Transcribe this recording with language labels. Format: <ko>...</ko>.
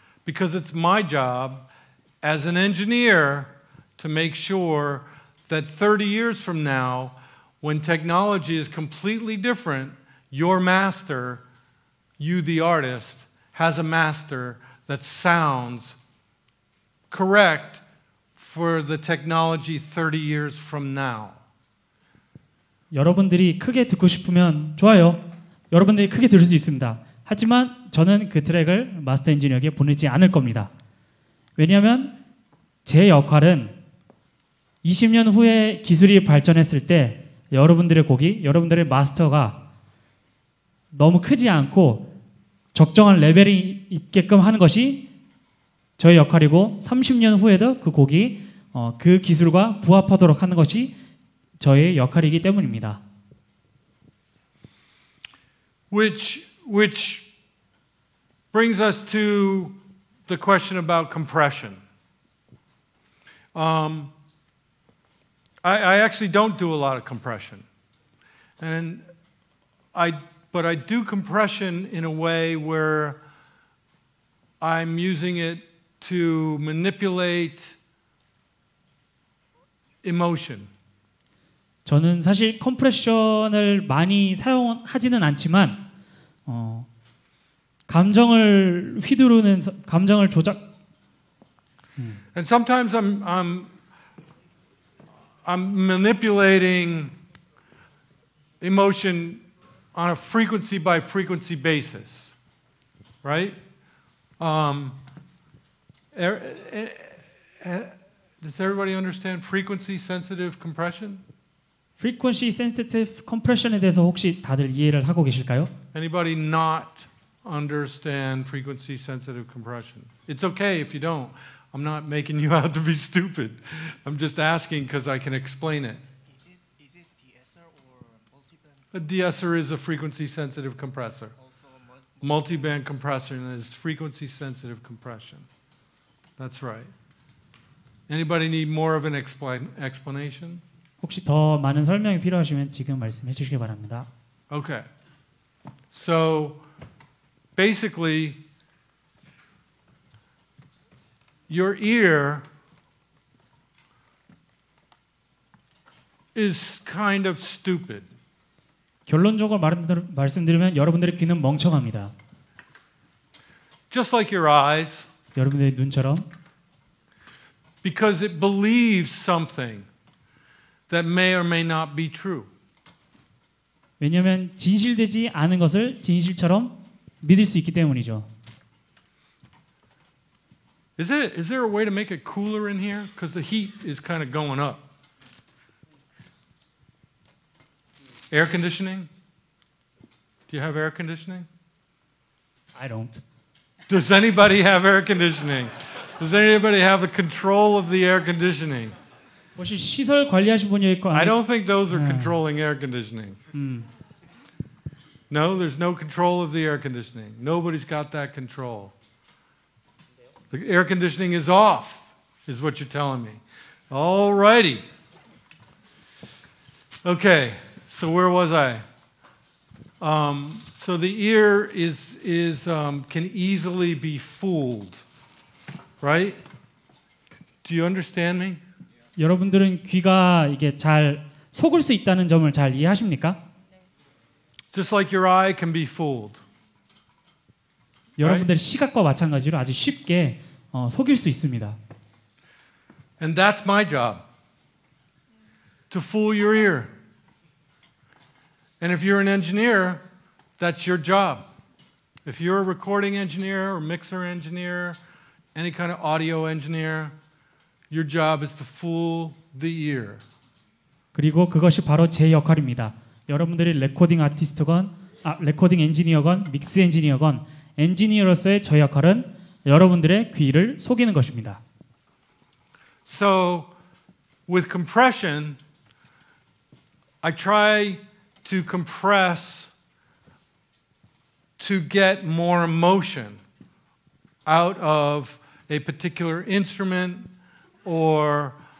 <en>Because it's my job as an engineer to make sure that 30 years from now, when technology is completely different, your master, you the artist, has a master that sounds correct for the technology 30 years from now.</en> <ko>여러분들이 크게 듣고 싶으면 좋아요. 여러분들이 크게 들을 수 있습니다. 하지만 저는 그 트랙을 마스터 엔지니어에게 보내지 않을 겁니다. 왜냐하면 제 역할은 20년 후에 기술이 발전했을 때 여러분들의 곡이, 여러분들의 마스터가 너무 크지 않고 적정한 레벨이 있게끔 하는 것이 저의 역할이고 30년 후에도 그 곡이 그 기술과 부합하도록 하는 것이 저의 역할이기 때문입니다.</ko> <en>Which brings us to the question about compression. I actually don't do a lot of compression. But I do compression in a way where I'm using it to manipulate emotion.</en> <ko>저는 사실 컴프레션을 많이 사용하지는 않지만 감정을 휘두르는 감정을 조작.</ko> <en>And sometimes I'm manipulating emotion on a frequency by frequency basis, right? Does everybody understand frequency sensitive compression?</en> <ko>Frequency sensitive compression에 대해서 혹시 다들 이해를 하고 계실까요?</ko> <en>Anybody not understand frequency sensitive compression? It's okay if you don't. I'm not making you out to be stupid. I'm just asking because I can explain it. Is it de-esser or multiband? A de-esser is a frequency sensitive compressor. Also a multiband compressor is frequency sensitive compression. That's right. Anybody need more of an explanation?</en> <ko>혹시 더 많은 설명이 필요하시면 지금 말씀해 주시기 바랍니다.</ko> <en>Okay. So basically your ear is kind of stupid.</en> <ko>결론적으로 말씀드리면 여러분들의 귀는 멍청합니다.</ko> <en>Just like your eyes.</en> <ko>여러분들의 눈처럼.</ko> <en>Because it believes something that may or may not be true.</en> <ko>왜냐면 진실되지 않은 것을 진실처럼 믿을 수 있기 때문이죠.</ko> <en>Is there a way to make it cooler in here? Because the heat is kind of going up. Air conditioning? Do you have air conditioning? I don't. Does anybody have air conditioning? Does anybody have the control of the air conditioning?</en> <ko>혹시 시설 관리하신 분이 있고</ko> <en>I don't think those are controlling air conditioning. No, there's no control of the air conditioning. Nobody's got that control. The air conditioning is off, is what you're telling me. All righty. Okay, so where was I? So the ear can easily be fooled, right? Do you understand me?</en> <ko>여러분들은 귀가 이게 잘 속을 수 있다는 점을 잘 이해하십니까?</ko> <en>Just like your eye can be fooled.</en> <ko>여러분들 시각과 마찬가지로 아주 쉽게 속일 수 있습니다.</ko> <en>And that's my job. To fool your ear. And if you're an engineer, that's your job. If you're a recording engineer or mixer engineer, any kind of audio engineer, your job is to fool the ear.</en> <ko>그리고 그것이 바로 제 역할입니다. 여러분들이 레코딩 아티스트건, 레코딩 엔지니어건, 믹스 엔지니어건, 엔지니어로서의 저 역할은 여러분들의 귀를 속이는 것입니다.</ko> <en>So, with compression, I try to compress to get more emotion out of a particular instrument or</en>